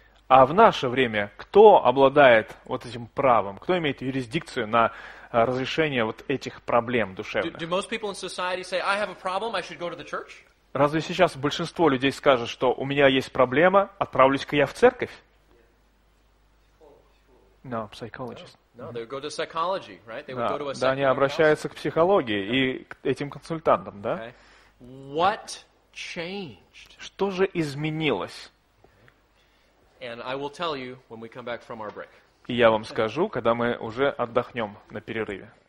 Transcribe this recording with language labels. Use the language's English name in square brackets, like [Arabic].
[Russian] А в наше время кто обладает вот этим правом? Кто имеет юрисдикцию на разрешение вот этих проблем душевных? [English] Do most people in society say, I have a problem, I should go to the church? [Russian] Разве сейчас большинство людей скажет, что у меня есть проблема, отправлюсь-ка я в церковь? [English] No, psychologist. No, they would go to psychology, right? They would go to a [Russian] psychologist. Да, они обращаются к психологии и к этим консультантам, да? [English] What changed? [Russian] Что же изменилось? [English] And I will tell you when we come back from our break. [Russian] И я вам скажу, когда мы уже отдохнем на перерыве.